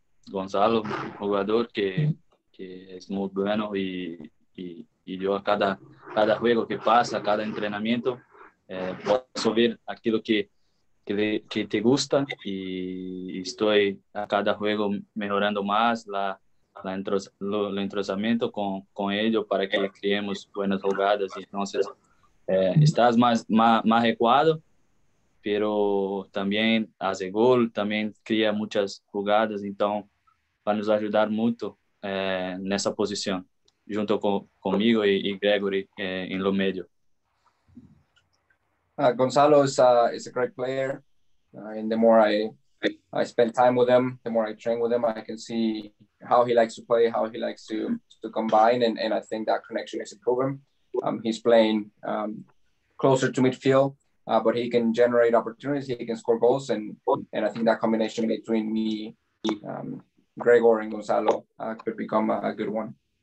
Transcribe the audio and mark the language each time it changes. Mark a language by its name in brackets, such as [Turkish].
[Spanish] Gonzalo, jugador que es muy bueno y yo a cada juego que pasa, a cada entrenamiento, puedo ver aquello que te gusta y estoy a cada juego mejorando más el entrosamiento con ello para que creemos buenas jugadas. Entonces, estás más adecuado, pero también hace gol, también crea muchas jugadas, entonces va a nos ayudar mucho. [Portuguese] Nessa posição, junto comigo e Gregory em [Spanish] lo medio. [English] Gonzalo is a great player, and the more I spend time with him, the more I train with him, I can see how he likes to play, how he likes to combine, and I think that connection is improving. He's playing closer to midfield, but he can generate opportunities, he can score goals, and I think that combination between me, Gregor and Gonzalo could become a good one.